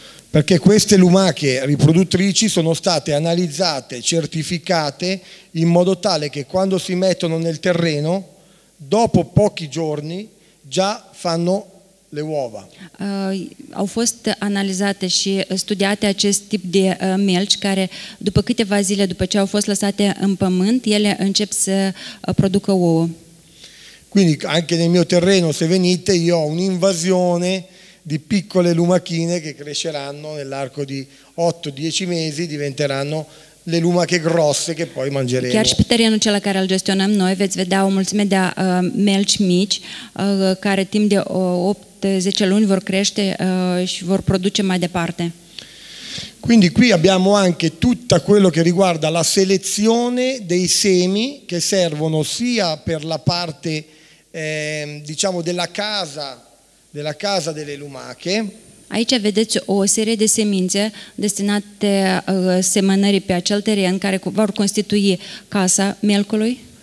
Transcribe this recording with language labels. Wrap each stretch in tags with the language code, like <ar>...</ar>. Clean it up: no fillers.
<it>Perché queste lumache riproduttrici sono state analizzate, certificate in modo tale che quando si mettono nel terreno, dopo pochi giorni, già fanno le uova.</it> <ro>Au fost analizate și studiate acest tip de melci care după câteva zile după ce au fost lăsate în pământ, ele încep să producă ouă.</ro> <it>Quindi anche nel mio terreno, se venite, io ho un'invasione di piccole lumachine che cresceranno nell'arco di 8-10 mesi, diventeranno le lumache grosse che poi mangeremo.</it> <ro>Chiar și pe terenul cel care îl gestionăm noi, veți vedea o mulțime de melci mici, care timp de 8-10 luni vor crește și vor produce mai departe.</ro> <it>Quindi qui abbiamo anche tutto quello che riguarda la selezione dei semi che servono sia per la parte diciamo della casa delle lumache.</it> <ro>Aici vedeți o serie de semințe destinate semănării pe acel teren care vor constitui casa melcului.</ro>